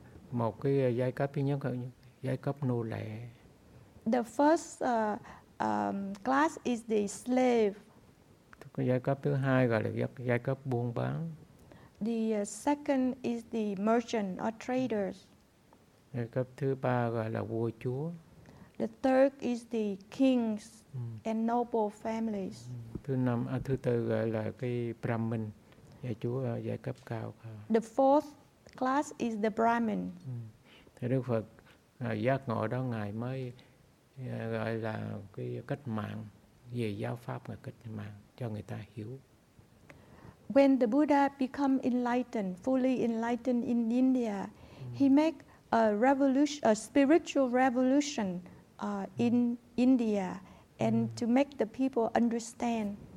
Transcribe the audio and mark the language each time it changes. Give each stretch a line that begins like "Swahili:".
Vietnamese: Một cái giai cấp thứ nhất là giai cấp nô lệ.
English: The first class is the slave.
Vietnamese: Cái giai cấp thứ hai gọi là giai cấp buôn bán.
English: The second is the merchant or traders.
Vietnamese: Giai cấp thứ ba gọi là vua chúa.
English: The third is the kings and noble families.
Vietnamese: Thứ tư gọi là cái Brahmin, giai chúa giai cấp cao.
English: The fourth class is the Brahmin.
Vietnamese: Thì Đức Phật giác ngộ đó, Ngài mới gọi là cái cách mạng về giáo pháp, là cách mạng cho người ta hiểu.
English: When the Buddha become enlightened, fully enlightened in India, he make a spiritual revolution in India, and to make the people understand.